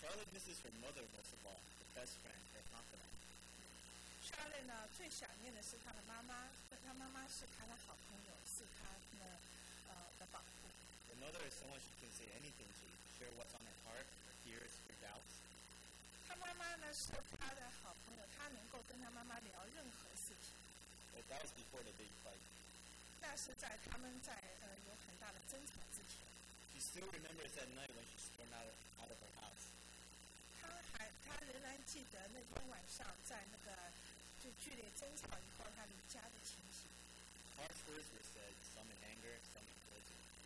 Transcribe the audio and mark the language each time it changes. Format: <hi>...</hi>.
<en>This is her mother, most of all, the best friend, her confidant.</en> <zh>Charlotte, 最想念的是她的妈妈，她妈妈是她的好朋友，是她的保护。</zh> <en>The mother is someone she can say anything to, share what's on her heart, her fears, her doubts.</en> <zh>她妈妈呢是她的好朋友，她能够跟她妈妈聊任何事情。</zh> <en>But that was before the big fight.</en> <zh>那是在他们在有很大的争吵之前。</zh> <en>She still remembers that night when she stormed out of her house.</en> <zh>他仍然记得那天晚上在那个就剧烈争吵以后他离家的情形。</zh> <en>Harsh words were said, some in anger, some in pleasure.</en>